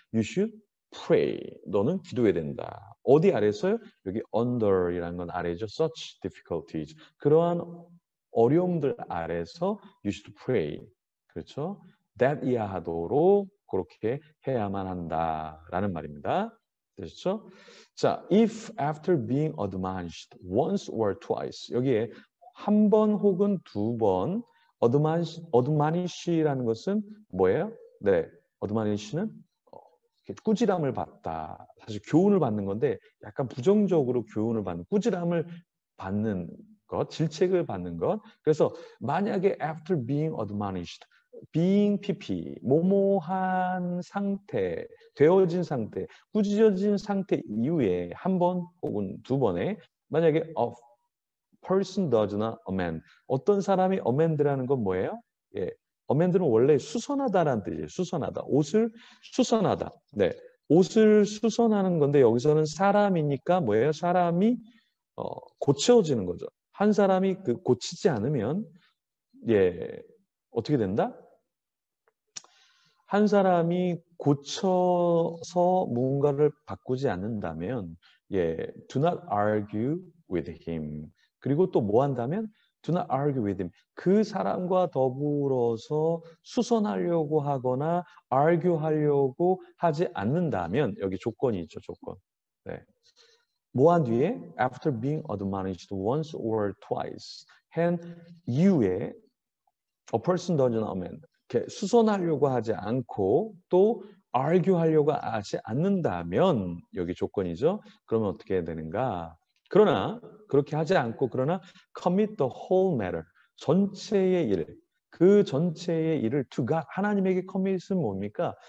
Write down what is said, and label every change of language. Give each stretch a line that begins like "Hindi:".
Korean: You should pray. 너는 기도해야 된다. 어디 아래서요? 여기 under이라는 건 아래죠. Such difficulties. 그러한 어려움들 아래서 you should pray. 그렇죠? That 이하하도록 그렇게 해야만 한다라는 말입니다. 그렇죠?
English: 자, if after being admonished once or twice.
Korean: 여기에 한번 혹은 두번 admonish라는 것은 뭐예요? 네, 어드마니시는 꾸지람을 받다. 사실 교훈을 받는 건데 약간 부정적으로 교훈을 받는, 꾸지람을 받는 것, 질책을 받는 것. 그래서 만약에 after being admonished, being PP, 모모한 상태, 되어진 상태, 꾸짖어진 상태 이후에 한 번 혹은 두 번에 만약에 a person does not amend, 어떤 사람이 amend라는 건 뭐예요? 예. amend는 원래 수선하다라는 뜻이에요. 수선하다. 옷을 수선하다. 네. 옷을 수선하는 건데 여기서는 사람이니까 뭐예요? 사람이 고쳐지는 거죠. 한 사람이 그 고치지 않으면 예. 어떻게 된다? 한 사람이 고쳐서 뭔가를 바꾸지 않는다면 예.
English: do not argue with him. 그리고 또 뭐 한다면 Do not argue with him.
Korean: 그 사람과 더불어서 수선하려고 하거나 argue 하려고 하지 않는다면 여기 조건이 있죠, 조건. 네.
English: 뭐 한 뒤에 after being admonished once or twice 한 이후에 a person does not amend.
Korean: 이렇게 수선하려고 하지 않고 또 argue 하려고 하지 않는다면 여기 조건이죠. 그러면 어떻게 해야 되는가? 그러나 그렇게 하지 않고 그러나 commit the whole matter 전체의 일, 그 전체의 일을 to God 하나님에게 commit은 뭡니까?